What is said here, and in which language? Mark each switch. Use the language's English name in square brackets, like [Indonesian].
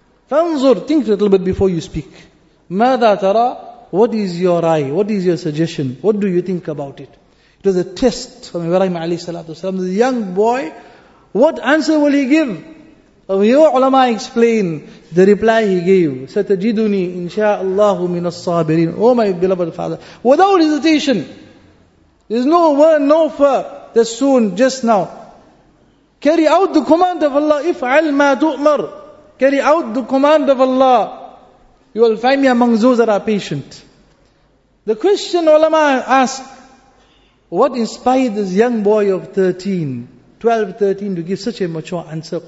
[English] فانظر, think a little bit before you speak. [Arabic] ماذا ترى, [English] what is your eye, what is your suggestion, what do you think about it? It was a test from Ibrahim alayhi salatu wasalam. The young boy, what answer will he give? Your ulama explain the reply he gave. [Arabic] ستجدني إن شاء الله من الصابرين. [English] Oh my beloved father, without hesitation, there's no word, no fear, that soon, just now, carry out the command of Allah. [Arabic] افعل ما تؤمر. [English] Carry out the command of Allah. You will find me among those that are patient. The question ulama ask, what inspired this young boy of 13, 12, 13, to give such a mature answer?